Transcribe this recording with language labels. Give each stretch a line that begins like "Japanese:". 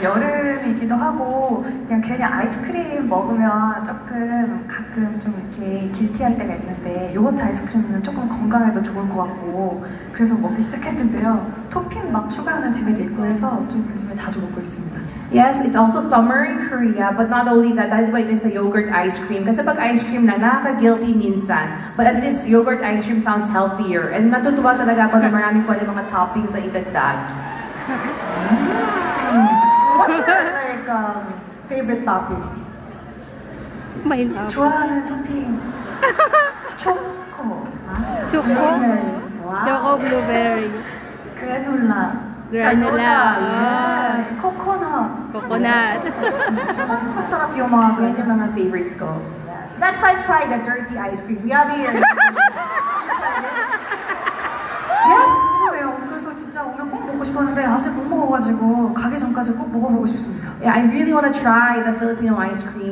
Korean: 여름이기도 하고 그냥 괜히 아이스크림 먹으면 조금 가끔 좀 이렇게 길티할 때가 있는데 요거트 아이스크림은 조금 건강에도 좋을 것 같고 그래서 먹기 시작했는데요. 토핑 막 추가하는 재미도 있고 해서 좀 요즘에 자주 먹고 있습니다.
English: Yes, it's also summer in Korea, but not only that. That's why there's a yogurt ice cream.
Filipino: Kasi pag ice cream na nakaka-guilty minsan.
English: But at least yogurt ice cream sounds healthier.
Filipino: And natutuwa talaga ako na maraming pwede mga toppings na idagdag.
English: What's your like, favorite topping? My love.
Korean: 좋아하는
English: topping. Choco. Choco? Choco blueberry. Granola. Granola. Yes. Coconut. Coconut.
Filipino: Masarap yung mga ganyan yung mga favorites ko.
English: Yes. Next time, try the dirty ice cream. We have here.
Korean: Yes. 그래서 진짜 오면 꼭 먹고 싶어. 싶었는데 아직 못 먹어가지고 가기 전까지 꼭 먹어보고 싶습니다.
English: Yeah, I really want to try the Filipino ice cream.